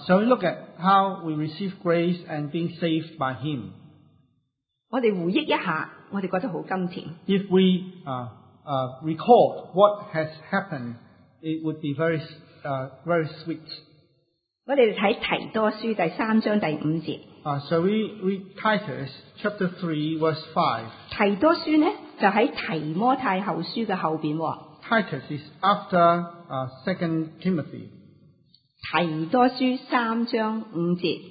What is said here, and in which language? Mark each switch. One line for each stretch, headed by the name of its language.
English: So look at how we receive grace and being saved by Him.
Cantonese: 我哋回忆一下，我哋觉得好甘甜。
English: If we recall what has happened, it would be very sweet.
Cantonese: 我哋睇提多书第三章第五节。
English: So we read Titus chapter 3 verse 5.
Cantonese: 提多书呢就喺提摩太后书嘅后边。
English: Titus is after Second Timothy.
Cantonese: 提多书三章五节。